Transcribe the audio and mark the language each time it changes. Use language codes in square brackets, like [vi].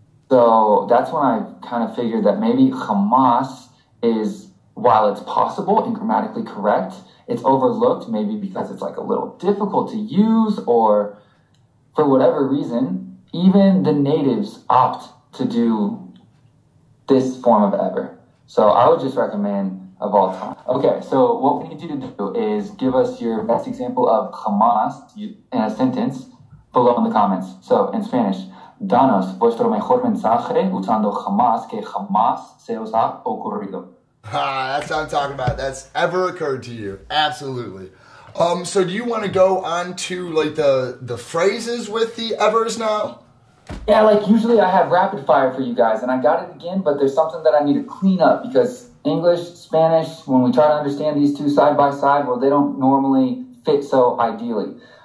[en] So that's when I kind of figured that maybe jamás is, while it's possible and grammatically correct, it's overlooked maybe because it's like a little difficult to use or for whatever reason, even the natives opt to do this form of ever. So I would just recommend of all time. Okay, so what we need you to do is give us your best example of jamás in a sentence below in the comments. So in Spanish. [es] Danos vuestro mejor mensaje usando jamás que jamás se os ha ocurrido. [en] Ah, that's what I'm talking about. That's ever occurred to you. Absolutely. So do you want to go on to like the phrases with the evers now? Yeah, like usually I have rapid fire for you guys and I got it again, but there's something that I need to clean up because English, Spanish, when we try to understand these two side by side, well, they don't normally fit so ideally.